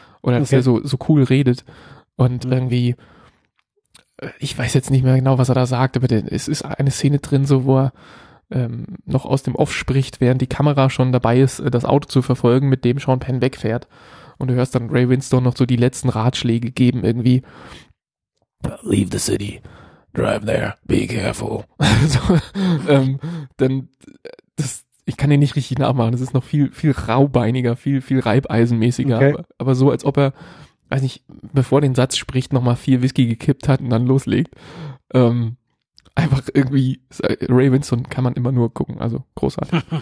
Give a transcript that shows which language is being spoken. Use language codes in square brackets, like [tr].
[de] Oder dass er so cool redet. Und irgendwie, ich weiß jetzt nicht mehr genau, was er da sagt, aber es ist eine Szene drin, so wo er noch aus dem Off spricht, während die Kamera schon dabei ist, das Auto zu verfolgen, mit dem Sean Penn wegfährt. Und du hörst dann Ray Winstone noch so die letzten Ratschläge geben, irgendwie. [en] Leave the city, drive there, be careful. [de] Dann, das ich kann den nicht richtig nachmachen. Das ist noch viel, viel raubeiniger, viel, viel reibeisenmäßiger. Okay. Aber so, als ob er, weiß nicht, bevor den Satz spricht, nochmal viel Whisky gekippt hat und dann loslegt. Einfach irgendwie, Ray Winston kann man immer nur gucken, also großartig.